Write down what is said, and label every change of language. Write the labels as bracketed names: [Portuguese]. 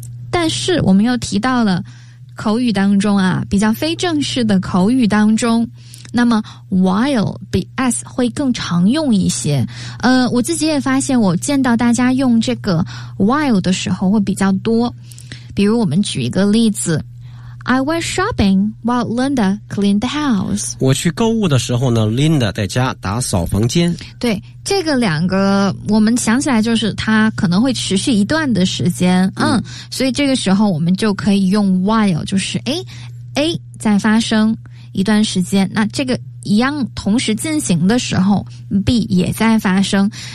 [Chinese] 但是我们又提到了口语当中啊，比较非正式的口语当中，那么 while 比 as 会更常用一些。我自己也发现我见到大家用这个 while 的时候会比较多。比如我们举一个例子， [English] I went shopping while Linda cleaned the house. [Chinese] 我去购物的时候呢， Linda 在家打扫房间。对，这个两个我们想起来就是它可能会持续一段的时间。所以这个时候我们就可以用 while， 就是 A 在发生一段时间，那这个一样同时进行的时候 B 也在发生。